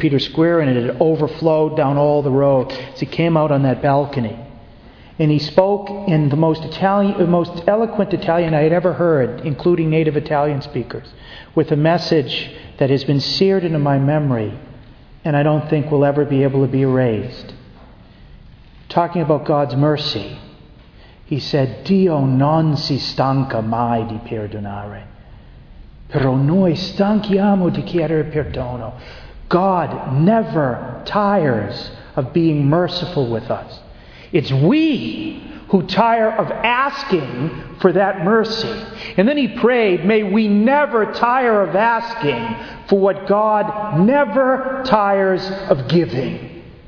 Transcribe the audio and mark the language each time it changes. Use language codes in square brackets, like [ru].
[en] Peter's Square, and it had overflowed down all the road as he came out on that balcony. And he spoke in the most eloquent Italian I had ever heard, including native Italian speakers, with a message that has been seared into my memory and I don't think will ever be able to be erased. Talking about God's mercy, he said, [it] Dio non si stanca mai di perdonare, però noi stanchiamo di chiedere perdono. [en] God never tires of being merciful with us. It's we who tire of asking for that mercy. And then he prayed, may we never tire of asking for what God never tires of giving.